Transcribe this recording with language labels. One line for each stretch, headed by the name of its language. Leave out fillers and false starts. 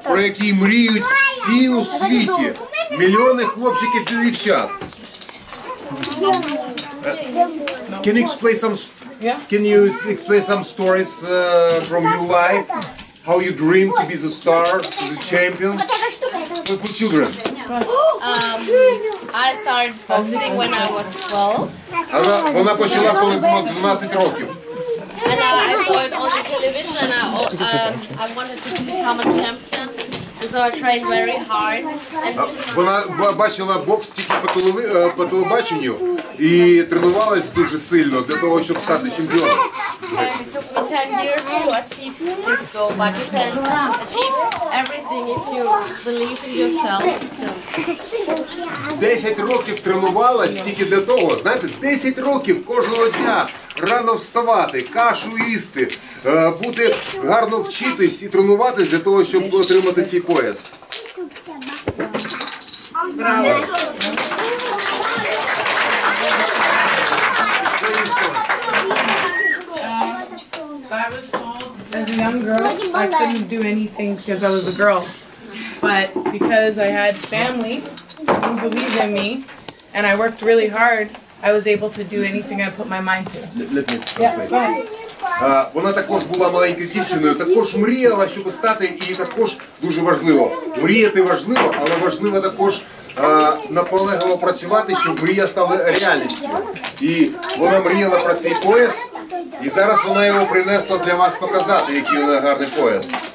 Ukrainian: про який мріють всі у світі. Мільйони хлопчиків і дівчат.
English: Can you explain some stories from your life? How you dream to be the star, the champion? For children. I started boxing when I was 12.
Ukrainian: Вона почала, коли було 12 років.
English: And I saw it on the television and I wanted to become a champion. So I trained very hard.
Ukrainian: Вона бачила бокс тільки по телебаченню і тренувалась дуже сильно для того, щоб стати чемпіоном.
English: It took me 10 years to achieve this goal, but you can achieve everything if you believe in yourself.
Ukrainian: 10 років тренувалась тільки для того, знаєте, 10 років кожного дня рано вставати, кашу їсти, бути гарно вчитись і тренуватись для того, щоб отримати цей пояс.
English: As a young girl, I couldn't do anything because I was a girl. But because I had family who believed in me and I worked really hard, I was able to do anything I put my mind to.
Ukrainian: Вона також була маленькою дівчиною, також мріяла, щоб стати, і також дуже важливо. Мріяти важливо, але важливо також наполегливо працювати, щоб мрія стала реальністю. І вона мріяла про цей пояс, і зараз вона його принесла для вас показати, який вона гарний пояс.